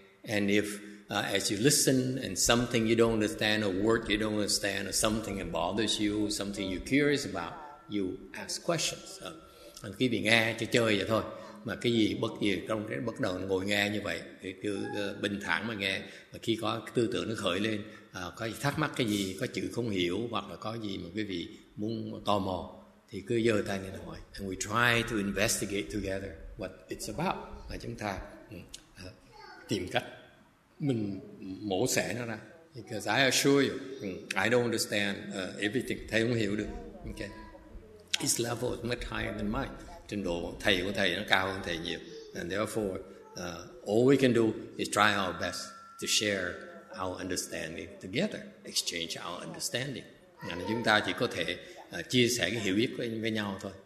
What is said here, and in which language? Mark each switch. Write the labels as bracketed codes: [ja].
[en] And if as you listen and something you don't understand, a word you don't understand, or something that bothers you, something you're curious about, you ask questions. [vi] Quý vị nghe cho chơi vậy thôi. Mà cái gì bất gì trong cái bắt đầu ngồi nghe như vậy thì cứ bình thản mà nghe, mà khi có tư tưởng nó khởi lên, có gì thắc mắc cái gì, có chữ không hiểu hoặc là có gì mà quý vị muốn tò mò thì cứ giơ tay lên hỏi. [en] And we try to investigate together what it's about, [vi] là chúng ta tìm cách mình mổ xẻ nó ra. [en] Because I assure you, I don't understand everything. [vi] Thầy không hiểu được. [en] Okay, his level is much higher than mine. [vi] Trình độ thầy của thầy nó cao hơn thầy nhiều. [en] And therefore, all we can do is try our best to share our understanding together, exchange our understanding. [vi] And chúng ta chỉ có thể chia sẻ cái hiểu biết với nhau thôi.